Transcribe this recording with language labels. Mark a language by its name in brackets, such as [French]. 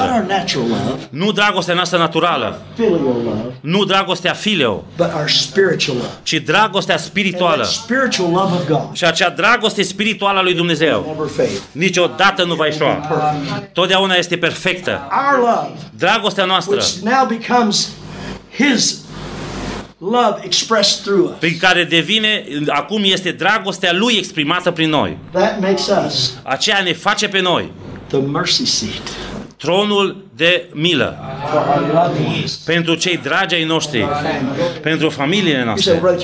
[English] Not our natural love. [Romanian] Nu dragostea noastră naturală. [English] Filial love. [Romanian] Nu dragostea filio. [English] But our spiritual love. [Romanian] Ci dragostea spirituală. [English] And spiritual love of God. [Romanian] Și acea dragoste spirituală a lui Dumnezeu. Niciodată nu va ieșua. Totdeauna este perfectă. [English] Our love. [Romanian] Dragostea noastră. [English] Which now becomes his love expressed through us. [Romanian] Prin care devine acum este dragostea lui exprimată prin noi. [English] That makes us. [Romanian] Aceea ne face pe noi. [English] The mercy seat. [Romanian] Tronul de milă. Pentru cei dragi ai noștri. Pentru familiile noastre.